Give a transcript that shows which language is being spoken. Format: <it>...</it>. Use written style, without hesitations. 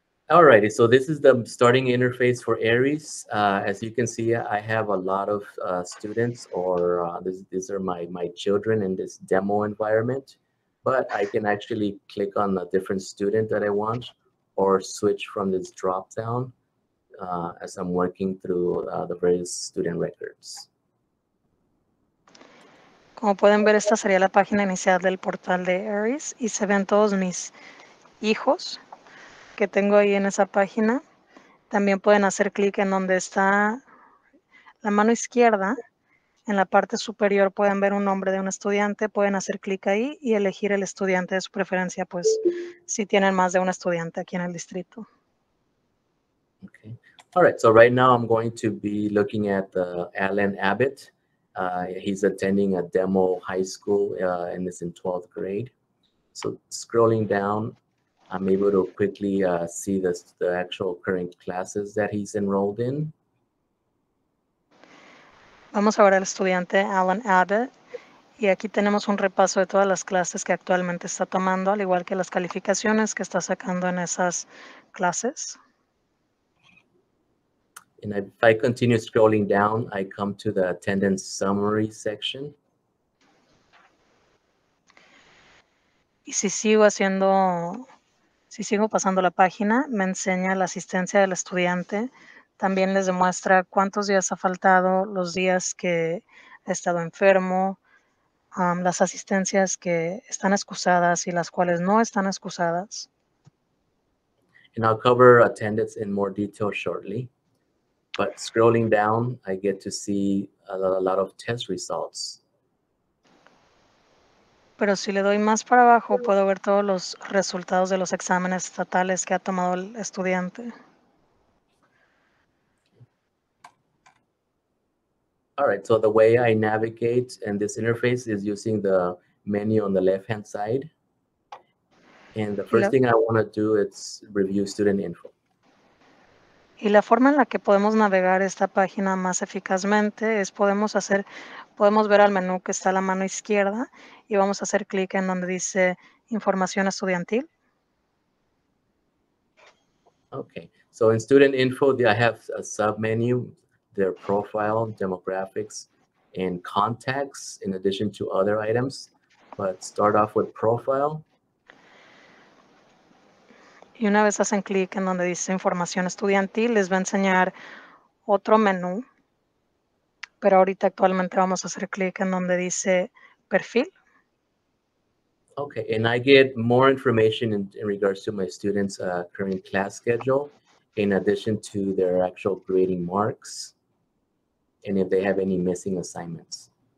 <en>Alrighty, so this is the starting interface for Aeries. As you can see, I have a lot of students, or these are my children in this demo environment. But I can actually click on a different student that I want, or switch from this drop down as I'm working through the various student records.</en> <es>Como pueden ver, esta sería la página inicial del portal de Aeries, y se ven todos mis hijos que tengo ahí en esa página. También pueden hacer clic en donde está la mano izquierda. En la parte superior pueden ver un nombre de un estudiante. Pueden hacer clic ahí y elegir el estudiante de su preferencia, pues si tienen más de un estudiante aquí en el distrito.</es> <en>Okay. All right, so right now I'm going to be looking at Alan Abbott. He's attending a demo high school and is in 12th grade. So scrolling down, I'm able to quickly see the actual current classes that he's enrolled in.</en> <es>Vamos a ver al estudiante Alan Abbott. Y aquí tenemos un repaso de todas las clases que actualmente está tomando, al igual que las calificaciones que está sacando en esas clases.</es> <en>And if I continue scrolling down, I come to the attendance summary section.</en> <es>Y si sigo haciendo... Si sigo pasando la página, me enseña la asistencia del estudiante. También les demuestra cuántos días ha faltado, los días que ha estado enfermo, las asistencias que están excusadas y las cuales no están excusadas.</es> <en>And I'll cover attendance in more detail shortly. But scrolling down, I get to see a lot of test results.</en> <es>Pero si le doy más para abajo, puedo ver todos los resultados de los exámenes estatales que ha tomado el estudiante.</es> <en>All right, so the way I navigate in this interface is using the menu on the left-hand side. And the first thing I want to do is review student info.</en> <es>Y la forma en la que podemos navegar esta página más eficazmente es podemos ver al menú que está a la mano izquierda y vamos a hacer clic en donde dice información estudiantil.</es> <en>Okay, so in student info, I have a submenu, their profile, demographics, and contacts in addition to other items. But start off with profile.</en> <es>Y una vez hacen clic en donde dice información estudiantil, les va a enseñar otro menú. Pero ahorita actualmente vamos a hacer clic en donde dice perfil.</es> <en>Okay, and I get more information in regards to my students' current class schedule in addition to their actual grading marks and if they have any missing assignments.</en>